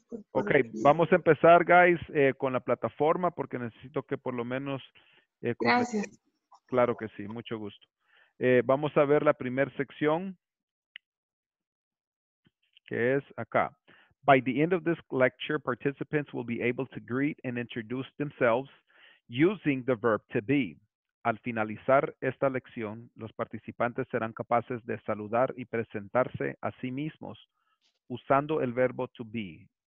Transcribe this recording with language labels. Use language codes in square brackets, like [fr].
[es] Ok, vamos a empezar, guys, con la plataforma, porque necesito que por lo menos... Gracias. Claro que sí, mucho gusto. Vamos a ver la primera sección, que es acá. [en] By the end of this lecture, participants will be able to greet and introduce themselves using the verb to be. [es] Al finalizar esta lección, los participantes serán capaces de saludar y presentarse a sí mismos usando el verbo to be.